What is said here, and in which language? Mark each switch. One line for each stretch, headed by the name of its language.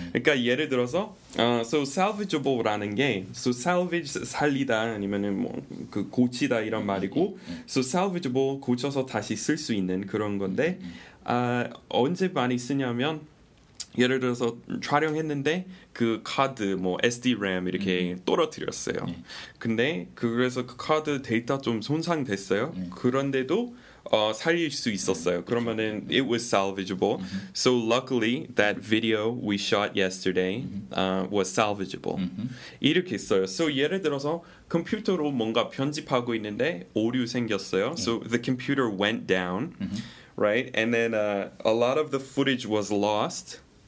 Korean: 그러니까 예를 들어서 so salvageable라는 게 so salvage 살리다 아니면은 뭐 그 고치다 이런 말이고 so salvageable 고쳐서 다시 쓸 수 있는 그런 건데 언제 많이 쓰냐면 예를 들어서 촬영했는데 그 카드 뭐 SD램 이렇게 떨어뜨렸어요. 근데 그래서 그 카드 데이터 좀 손상됐어요. 그런데도 살릴 수 있었어요.
English: 그러면은 it was salvageable. So luckily that video we shot yesterday was salvageable.
Korean: 이렇게 써요. So 예를 들어서 컴퓨터로 뭔가 편집하고 있는데 오류 생겼어요.
English: So the computer went down, right? And then a lot of the footage was lost.